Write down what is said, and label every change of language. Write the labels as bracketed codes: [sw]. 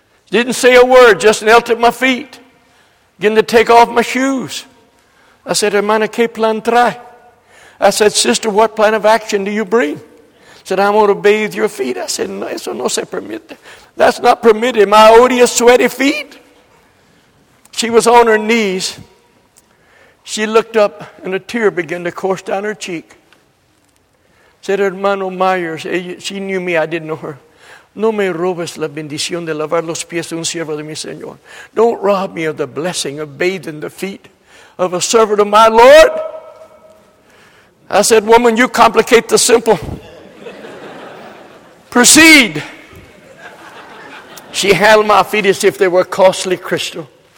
[en] Didn't say a word, just knelt at my feet, getting to take off my shoes. I said, [es] "Hermana, ¿qué plan trae?" [en] I said, "Sister, what plan of action do you bring?" Said, "I want to bathe your feet." I said, [es] "No, eso no se permite. [en] That's not permitted. My odious, sweaty feet." She was on her knees. She looked up and a tear began to course down her cheek. Said, "Hermano Myers," she knew me, I didn't know her. [es] "No me robes la bendición de lavar los pies de un siervo de mi Señor." [en] Don't rob me of the blessing of bathing the feet of a servant of my Lord. I said, "Woman, you complicate the simple. Proceed." She held my feet as if they were costly crystal.